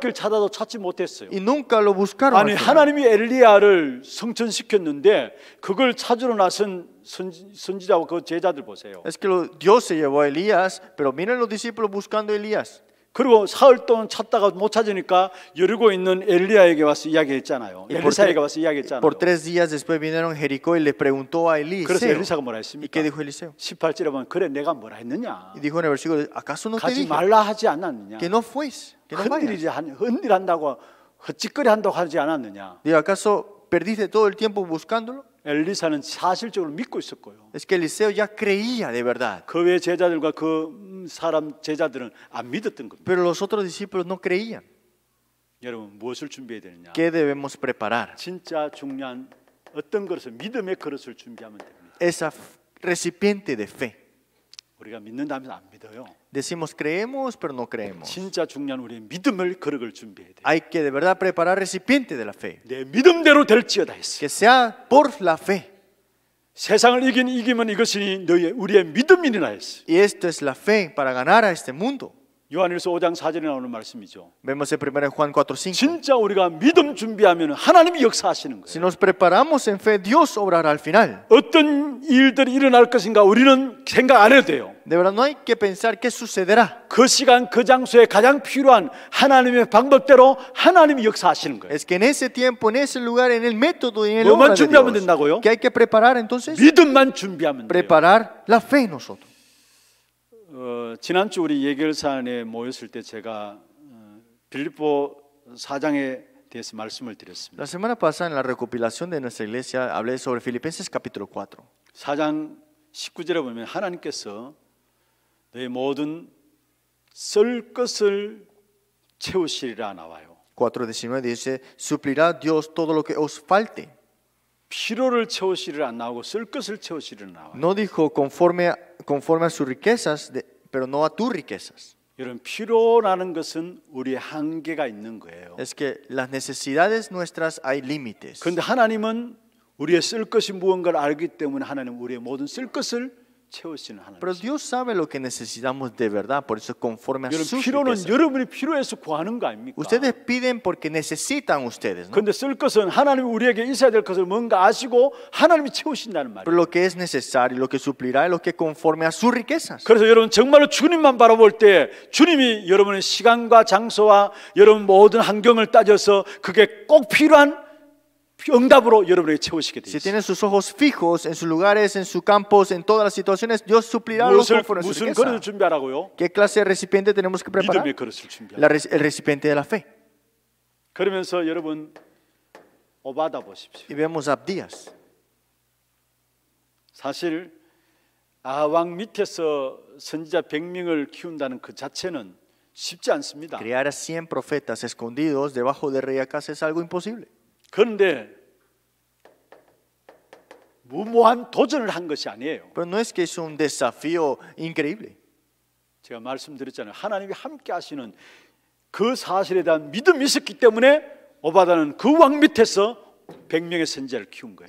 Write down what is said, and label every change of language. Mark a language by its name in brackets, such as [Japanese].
[Korean] 사흘길 찾아도 찾지 못했어요. [Spanish] Y nunca lo buscaron. [Korean] 아니 하나님이 엘리야를 승천시켰는데 그걸 찾으러 나선 선지자와 그 제자들 보세요. [Spanish] Es que Dios se llevó a Elías, pero miren los discípulos buscando a Elías. [Korean] 그리고 사흘 동안 찾다가 못 찾으니까 여리고 있는 엘리야에게 와서 이야기했잖아요. 엘리사에게 와서 이야기했잖아요. [Spanish] Por tres días después vinieron Jericó y le preguntó a Elías. [Korean] 그래서 엘리사가 뭐라 했습니까? [Spanish] ¿Y qué dijo Eliseo? [Korean] 18절에 보면 그래 내가 뭐라 했느냐? [Spanish] Y dijo en el versículo, ¿acaso no te dije? [Korean] 가지 말라 하지 않았느냐? [Spanish] Que no fuese. Que no vayas. [Korean] 흔들한다고 헛짓거리 한다고 하지 않았느냐? [Spanish] ¿Y acaso perdiste todo el tiempo buscándolo? [Korean] 엘리사는 사실적으로 믿고 있었고요. [Spanish] Es que Eliseo ya creía de verdad. [Korean] 그 외 제자들과 그 사람 제자들은 안 믿었던 겁니다. [Spanish] Pero los otros discípulos no creían. [Korean] 여러분 무엇을 준비해야 되느냐? [Spanish] ¿Qué debemos preparar? [Korean] 진짜 중요한 어떤 그릇을 믿음의 그릇을 준비하면 됩니다. [Spanish] Esa recipiente de fe. [Korean] 우리가 믿는다면 안 믿어요. [Spanish] Decimos creemos pero no creemos. [Korean] 진짜 중요한 우리의 믿음을 그릇을 준비해야 돼. [Spanish] Hay que de verdad preparar recipiente de la fe. [Korean] 내 믿음대로 될지어다 했어. [Spanish] Que sea por la fe. [Korean] 세상을 이긴 이김은 이것이니 너희 우리의 믿음이니라 했어. [Spanish] Y esto es la fe para ganar a este mundo. [Korean] 요한일서 5장 4절에 나오는 말씀이죠. [Spanish] Vemos en 1 Juan 4:5. [Korean] 진짜 우리가 믿음 준비하면 하나님이 역사하시는 거예요. [Spanish] Si nos preparamos en fe, Dios obrará al final. [Korean] 어떤 일들이 일어날 것인가 우리는 생각 안 해도 돼요. [Spanish] De verdad no hay que pensar qué sucederá. [Korean] 그 시간 그 장소에 가장 필요한 하나님의 방법대로 하나님이 역사하시는 거예요. [Spanish] Es que en ese tiempo, en ese lugar, en el método y en el lugar. [Korean] 준비하면 된다고요? [Spanish] ¿Qué hay que preparar entonces? [Korean] 믿음만 준비하면 돼요. [Spanish] Preparar la fe nosotros. [Korean] 지난주 우리 예결산에 모였을 때 제가 빌립보 4장에 대해서 말씀을 드렸습니다. [Spanish] La semana pasada en la recopilación de nuestra iglesia hablé sobre Filipenses capítulo 4. [Korean] 4장 19절에 보면 하나님께서 너희 모든 쓸 것을 채우시리라 나와요. [Spanish] 4:19 dice suplirá Dios todo lo que os falte. [Korean] 필요를 채우시리라 안 나오고 쓸 것을 채우시리라 나와. [Spanish] No dijo conforme a sus riquezas, pero no a tus riquezas. [Korean] 이런 필요라는 것은 우리의 한계가 있는 거예요. [Spanish] Es que las necesidades nuestras hay límites. [Korean] 근데 하나님은 우리의 쓸 것이 무언가를 알기 때문에 하나님 우리의 모든 쓸 것을 채우시는 하나님. [Spanish] Pero Dios sabe lo que necesitamos de verdad, por eso conforme a sus riquezas. [Korean] 필요는 여러분이 필요해서 구하는 거 아닙니까? [Spanish] Ustedes piden porque necesitan ustedes. [Korean] 근데 쓸 것은 하나님이 우리에게 있어야 될 것을 뭔가 아시고 하나님이 채우신다는 말이에요. [Spanish] Pero lo que es necesario, lo que suplirá es lo que conforme a sus riquezas. [Korean] 그래서 여러분 정말로 주님만 바라볼 때 주님이 여러분의 시간과 장소와 여러분 모든 환경을 따져서 그게 꼭 필요한 응답으로 여러분에게 채우시게 되시. [Spanish] Si tiene sus ojos fijos en sus lugares, en sus campos, en todas las situaciones, Dios suplirá lo que ofrece. [Korean] 무슨 그릇을 준비하라고요? [Spanish] ¿Qué clase de recipiente tenemos que preparar? [Korean] 믿음의 그릇을 준비하라. [Spanish] El recipiente de la fe. [Korean] 그러면서 여러분 오바다 보십시오. [Spanish] Y vemos a Abdías. [Korean] 사실 아왕 밑에서 선지자 100명을 키운다는 그 자체는 쉽지 않습니다. [Spanish] Crear a 100 profetas escondidos debajo de rey Acaz es algo imposible. [Korean] 그런데 무모한 도전을 한 것이 아니에요. [Spanish] Pero no es que es un desafío increíble. [Korean] 제가 말씀드렸잖아요. 하나님이 함께 하시는 그 사실에 대한 믿음이 있었기 때문에 오바다는 그 왕 밑에서 100명의 선지자를 키운 거예요.